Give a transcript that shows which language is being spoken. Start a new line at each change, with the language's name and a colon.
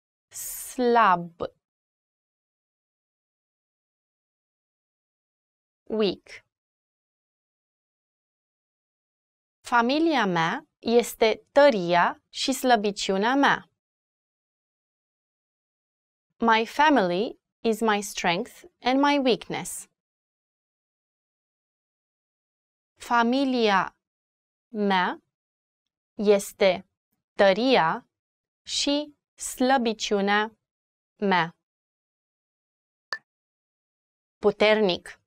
Romanian: Slab.
English: Weak.
Romanian: Familia mea este tăria și slăbiciunea mea.
English: My family is my strength and my weakness.
Romanian: Familia mea este tăria și slăbiciunea mea. Puternic.